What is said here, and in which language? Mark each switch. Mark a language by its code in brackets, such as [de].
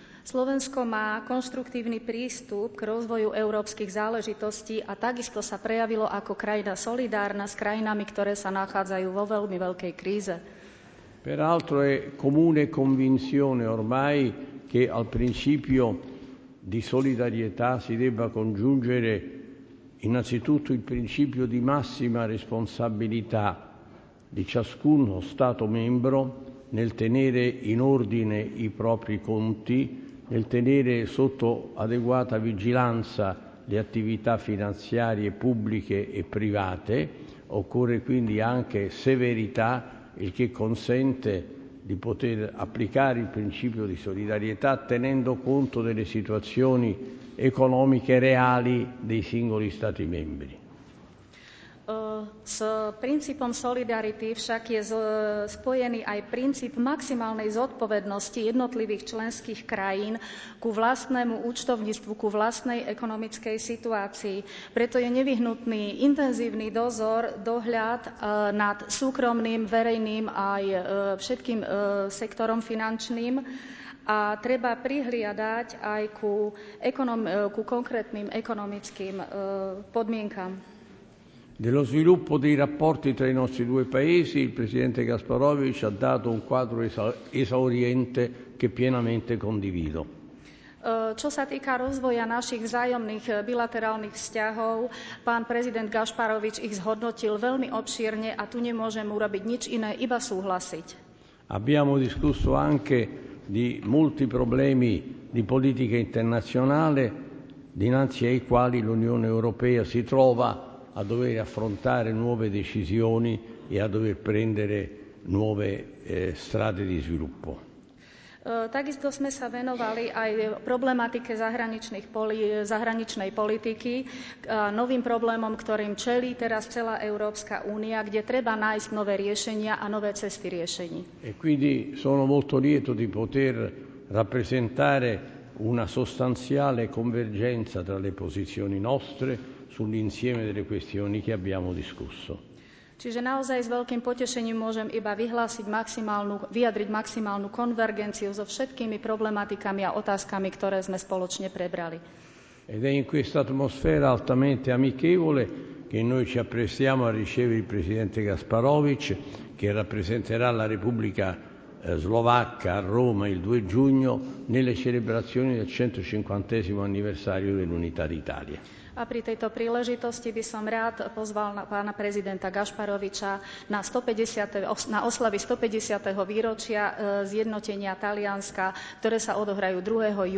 [sk] Slovensko má konštruktívny prístup k rozvoju európskych záležitostí a takisto sa prejavilo ako krajina solidárna s krajinami, ktoré sa nachádzajú vo veľmi veľkej kríze. [it] Peraltro è comune convinzione ormai che al principio di solidarietà si debba congiungere innanzitutto il principio di massima responsabilità di ciascuno Stato membro nel tenere in ordine i propri conti, nel tenere sotto adeguata vigilanza le attività finanziarie pubbliche e private. Occorre quindi anche severità, il che consente di poter applicare il principio di solidarietà tenendo conto delle situazioni economiche reali dei singoli Stati membri. [sk] S princípom solidarity však je spojený aj princíp maximálnej zodpovednosti jednotlivých členských krajín ku vlastnému účtovníctvu, ku vlastnej ekonomickej situácii. Preto je nevyhnutný intenzívny dozor, dohľad nad súkromným, verejným aj všetkým sektorom finančným a treba prihliadať aj ku konkrétnym ekonomickým podmienkam. [it] Dello sviluppo dei rapporti tra i nostri due paesi, il presidente Gasparovic ha dato un quadro esauriente che pienamente condivido. [sk] Čo sa týka rozvoja našich vzájomných bilaterálnych vzťahov, pán prezident Gasparovic ich zhodnotil veľmi obšírne a tu nemôžem urobiť nič iné, iba súhlasiť. [it] Abbiamo discusso anche di molti problemi di politica internazionale dinanzi ai quali l'Unione Europea si trova a dover affrontare nuove decisioni e a dover prendere nuove strade di sviluppo. [sk] Takisto sme sa venovali aj problematike zahraničnej politiky, novým problémom, ktorým čelí teraz celá Európska únia, kde treba nájsť nové riešenia a nové cesty riešení. [it] E quindi sono molto lieto di poter rappresentare una sostanziale convergenza tra le posizioni nostre sull'insieme delle questioni che abbiamo discusso. [sk] Čiže naozaj s veľkým potešením môžem iba vyjadriť maximálnu konvergenciu so všetkými problematikami a otázkami, ktoré sme spoločne prebrali. [it] Ed è in questa atmosfera altamente amichevole che noi ci apprestiamo a ricevere il presidente Gasparovic, che rappresenterà la Repubblica Slovacca a Roma il 2 giugno nelle celebrazioni del 150° anniversario dell'Unità d'Italia. [sk] A pri tejto príležitosti by som rád pozval pána prezidenta Gašparoviča na oslavy 150. výročia zjednotenia Talianska, ktoré sa odohrajú 2.